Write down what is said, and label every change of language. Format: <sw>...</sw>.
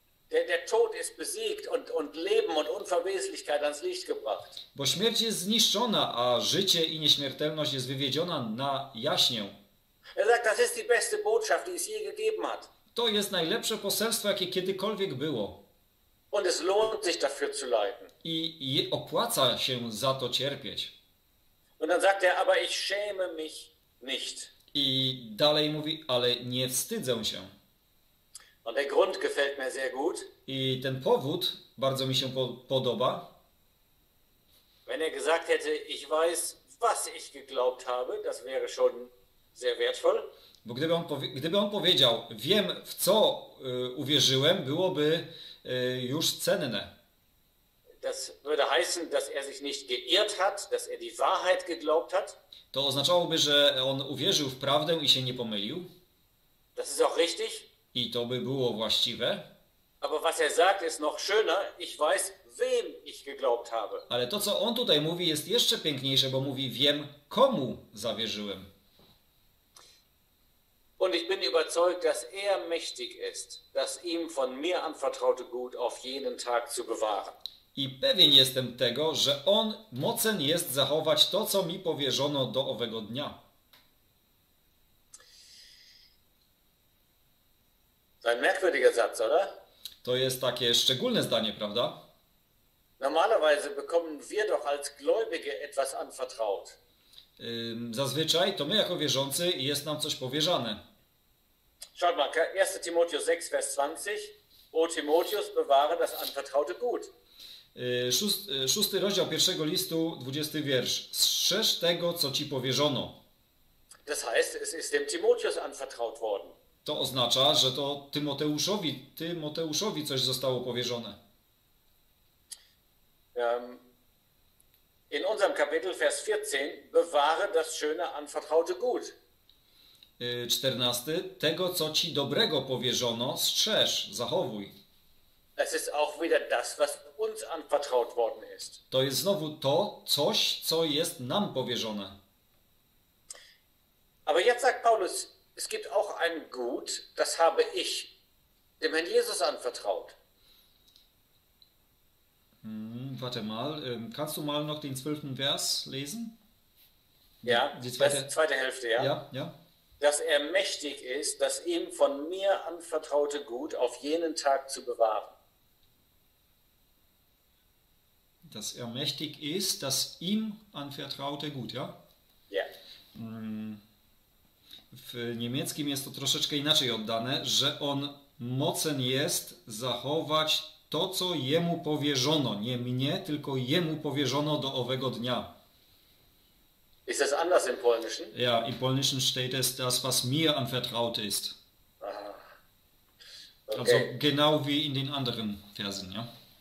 <de>Der Tod ist besiegt und Leben und Unverweslichkeit ans Licht gebracht.</de> <pl>Bo śmierć jest zniszczona, a życie i nieśmiertelność jest wywiedziona na jaśnię.</pl> <de>Er sagt, das ist die beste Botschaft, die es je gegeben hat.</de> <pl>To jest najlepsze poselstwo, jakie kiedykolwiek było.</pl> <de>Und es lohnt sich dafür zu leiden.</de> <pl>I opłaca się za to cierpieć.</pl> <de>Und dann sagt er, aber ich schäme mich nicht.</de> <pl>I dalej mówi, ale nie wstydzę się.</pl> <de>Und der Grund gefällt mir sehr gut.</de> <pl>I ten powód bardzo mi się podoba.</pl> <de>Wenn er gesagt hätte, ich weiß, was ich geglaubt habe, das wäre schon sehr wertvoll.</de> <pl>Bo gdyby on powiedział, wiem, w co uwierzyłem, byłoby już cenne.</pl> <de>Das würde heißen, dass er sich nicht geirrt hat, dass er die Wahrheit geglaubt hat.</de> <pl>To oznaczałoby, że on uwierzył w prawdę i się nie pomylił.</pl> <de>Das ist auch richtig.</de> <pl>I to by było właściwe.</pl> <de>Aber was er sagt, ist noch schöner. Ich weiß, wem ich geglaubt habe.</de> <pl>Ale to, co on tutaj mówi, jest jeszcze piękniejsze, bo mówi, wiem, komu zawierzyłem.</pl> <de>Und ich bin überzeugt, dass er mächtig ist, das ihm von mir anvertraute Gut auf jeden Tag zu bewahren.</de> <pl>I pewien jestem tego, że on mocen jest zachować to, co mi powierzono do owego dnia.</pl> <de>Ein merkwürdiger Satz, oder?</de> <pl>To jest takie szczególne zdanie, prawda?</pl> <de>Normalerweise bekommen wir doch als Gläubige etwas anvertraut.</de> <pl>Zazwyczaj to my jako wierzący jest nam coś powierzane.</pl> <de>Schaut mal, 1 Timotheus 6, Vers 20. O Timotheus, bewahre das anvertraute Gut.</de> <pl>Szósty rozdział pierwszego listu, 20 wiersz. Strzeż tego, co ci powierzono.</pl> <de>Das heißt, es ist dem Timotheus anvertraut worden.</de> <pl>To oznacza, że to Tymoteuszowi coś zostało powierzone.</pl> <de>In unserem Kapitel, Vers 14, bewahre das schöne anvertraute Gut.</de> <pl>14. Tego, co ci dobrego powierzono, strzeż, zachowuj.</pl> <de>Es ist auch wieder das, was uns anvertraut worden ist.</de> <pl>To jest znowu to coś, co jest nam powierzone.</pl> <de>Aber jetzt sagt Paulus, es gibt auch ein Gut, das habe ich dem Herrn Jesus anvertraut. Warte mal, kannst du mal noch den 12. Vers lesen? Ja, die zweite Hälfte, ja. Ja, ja. Dass er mächtig ist, das ihm von mir anvertraute Gut auf jenen Tag zu bewahren. Dass er mächtig ist, das ihm anvertraute Gut, ja? Ja.</de> <pl>W niemieckim jest to troszeczkę inaczej oddane, że on mocen jest zachować to, co jemu powierzono. Nie mnie, tylko jemu powierzono do owego dnia.</pl> <de>Ist das anders im Polnischen? Ja, im Polnischen steht es, das, was mir anvertraut ist. Okay. Also genau wie in den anderen Versen, ja?</de>